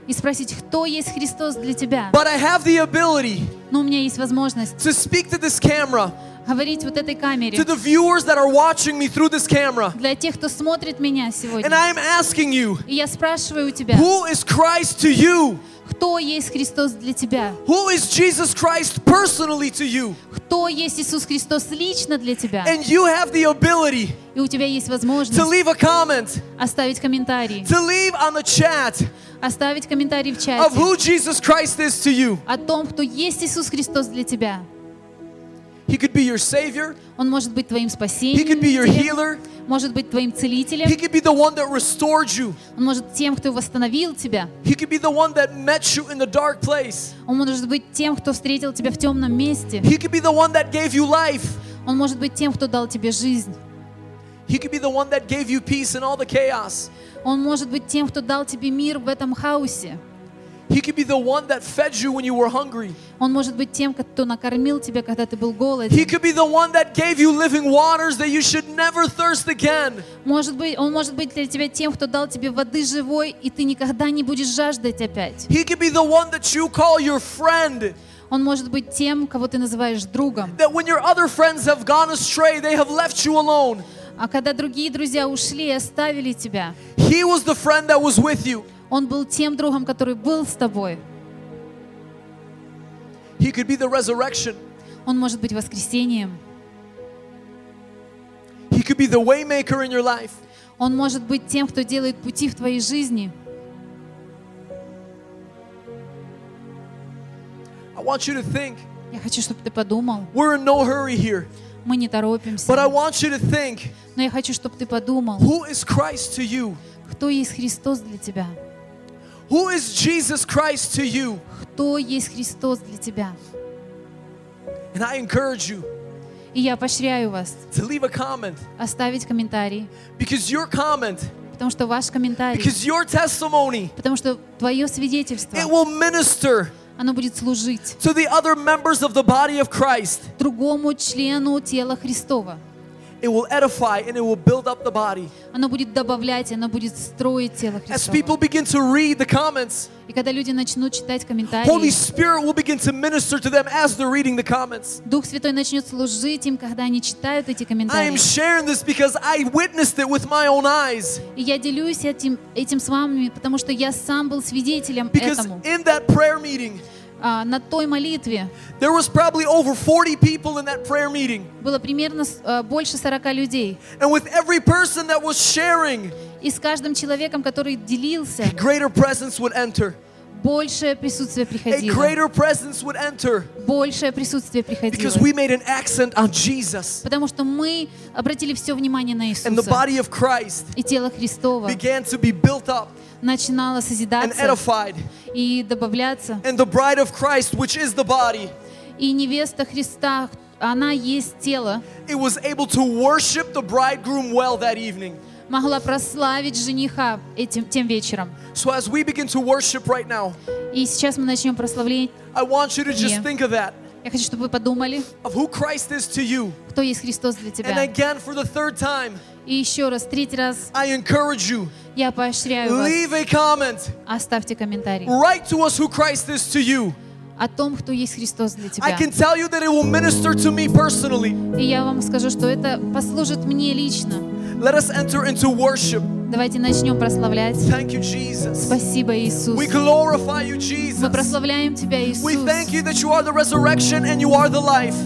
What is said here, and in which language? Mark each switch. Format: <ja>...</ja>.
<ru>и спросить, кто есть Христос для тебя.</ru> <en>But I have the ability,</en> <ru>но у меня есть возможность,</ru> <en>to speak to this camera,</en> <ru>говорить вот этой камере,</ru> <en>to the viewers that are watching me through this camera,</en> <ru>для тех, кто смотрит меня сегодня,</ru> <en>and I am asking you,</en> <ru>и я спрашиваю у тебя,</ru> <en>who is Christ to you?</en> <ru>Кто есть Христос для тебя?</ru> <en>Who is Jesus Christ personally to you?</en> <ru>Кто есть Иисус Христос лично для тебя?</ru> <en>And you have the ability,</en> <ru>и у тебя есть возможность,</ru> <en>to leave a comment,</en> <ru>оставить комментарий,</ru> <en>to leave on the chat,</en> <ru>оставить комментарий в чате,</ru> <en>of who Jesus Christ is to you,</en> <ru>о том, кто есть Иисус Христос для тебя.</ru> <en>He could be your savior,</en> <ru>он может быть твоим спасением,</ru> <en>he could be your healer,</en> <ru>может быть твоим целителем.</ru> <en>He could be the one that restored you.</en> <ru>Он может тем, кто восстановил тебя.</ru> <en>He could be the one that met you in the dark place.</en> <ru>Он может быть тем, кто встретил тебя в темном месте.</ru> <en>He could be the one that gave you life.</en> <ru>Он может быть тем, кто дал тебе жизнь.</ru> <en>He could be the one that gave you peace in all the chaos.</en> <ru>Он может быть тем, кто дал тебе мир в этом хаосе.</ru> <en>He could be the one that fed you when you were hungry.</en> <ru>Он может быть тем, кто накормил тебя, когда ты был голоден.</ru> <en>He could be the one that gave you living waters that you should never thirst again.</en> <ru>Может быть, он может быть для тебя тем, кто дал тебе воды живой, и ты никогда не будешь жаждать опять.</ru> <en>He could be the one that you call your friend.</en> <ru>Он может быть тем, кого ты называешь другом.</ru> <en>That when your other friends have gone astray, they have left you alone.</en> <ru>А когда другие друзья ушли и оставили тебя.</ru> <en>He was the friend that was with you.</en> <ru>Он был тем другом, который был с тобой.</ru> <en>He could be the resurrection.</en> <ru>Он может быть воскресением.</ru> <en>He could be the waymaker in your life.</en> <ru>Он может быть тем, кто делает пути в твоей жизни.</ru> <en>I want you to think.</en> <ru>Я хочу, чтобы ты подумал.</ru> <en>We're in no hurry here.</en> <ru>Мы не торопимся.</ru> <en>But I want you to think.</en> <ru>Но я хочу, чтобы ты подумал.</ru> <en>Who is Christ to you?</en> <ru>Кто есть Христос для тебя?</ru> <en>Who is Jesus Christ to you?</en> <ru>Кто есть Христос для тебя?</ru> <en>And I encourage you.</en> <ru>И я поощряю вас.</ru> <en>To leave a comment.</en> <ru>Оставить комментарий.</ru> <en>Because your comment.</en> <ru>Потому что ваш комментарий.</ru> <en>Because your testimony.</en> <ru>Потому что твое свидетельство.</ru> <en>It will minister.</en> <ru>Оно будет служить.</ru> <en>To the other members of the body of Christ.</en> <ru>Другому члену тела Христова.</ru> <en>It will edify and it will build up the body.</en> <ru>Оно будет добавлять, оно будет строить тело Христово.</ru> <en>As people begin to read the comments,</en> <ru>и когда люди начнут читать комментарии,</ru> <en>Holy Spirit will begin to minister to them as they're reading the comments.</en> <ru>Дух Святой начнет служить им, когда они читают эти комментарии.</ru> <en>I am sharing this because I witnessed it with my own eyes.</en> <ru>И я делюсь этим с вами, потому что я сам был свидетелем этому.</ru> <en>Because in that prayer meeting,</en> <ru>на той молитве,</ru> <en>there was probably over 40 people in that prayer meeting.</en> <ru>Было примерно больше 40 людей.</ru> <en>And with every person that was sharing,</en> <ru>и с каждым человеком, который делился,</ru> <en>a greater presence would enter.</en> <ru>Большее присутствие приходило.</ru> <en>A greater presence would enter.</en> <ru>Большее присутствие приходило.</ru> <en>Because we made an accent on Jesus.</en> <ru>Потому что мы обратили все внимание на Иисуса.</ru> <en>And the body of Christ</en> <ru>и тело Христово</ru> <en>began to be built up.</en> <ru>начинала созидаться и добавляться.</ru> <en>And the bride of Christ, which is the body,</en> <ru>и невеста Христа, она есть тело,</ru> <en>it was able to worship the bridegroom well that evening.</en> <ru>Могла прославить жениха этим тем вечером.</ru> <en>So as we begin to worship right now,</en> <ru>и сейчас мы начнем прославление.</ru> <en>I want you to just think of that.</en> <ru>Я хочу, чтобы вы подумали,</ru> <en>of who Christ is to you.</en> <ru>Кто есть Христос для тебя?</ru> <en>And again, for the third time,</en> <ru>и еще раз, третий раз,</ru> <en>I encourage you,</en> <ru>я поощряю</ru> <en>leave</en> <ru>вас,</ru> <en>a comment,</en> <ru>оставьте комментарий,</ru> <en>write to us who Christ is to you.</en> <ru>О том, кто есть Христос для тебя.</ru> <en>I can tell you that it will minister to me personally.</en> <ru>И я вам скажу, что это послужит мне лично.</ru> <en>Let us enter into worship.</en> <ru>Давайте начнем прославлять.</ru> <en>Thank you, Jesus.</en> <ru>Спасибо, Иисус.</ru> <en>We glorify you, Jesus.</en> <ru>Мы прославляем тебя, Иисус.</ru> <en>We thank you that you are the resurrection and you are the life.</en>